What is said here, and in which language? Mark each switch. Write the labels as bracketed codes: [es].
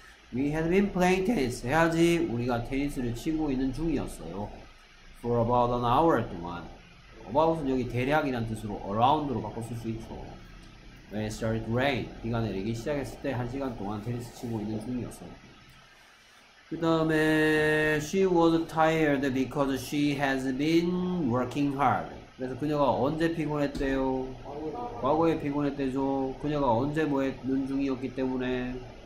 [en] We had been playing tennis. [ko] 해야지 우리가 테니스를 치고 있는 중이었어요. [en] For about an hour [ko] 동안. [en] About은 [ko] 여기 대략이란 뜻으로 around로 바꿔 쓸 수 있죠. [en] When it started to rain. [ko] 비가 내리기 시작했을 때 한 시간 동안 테니스 치고 있는 중이었어요. 그 다음에 [en] She was tired because she has been working hard. [ko] 그래서 그녀가 언제 피곤했대요? 과거에 피곤했대죠. 그녀가 언제 뭐 했는 중이었기 때문에.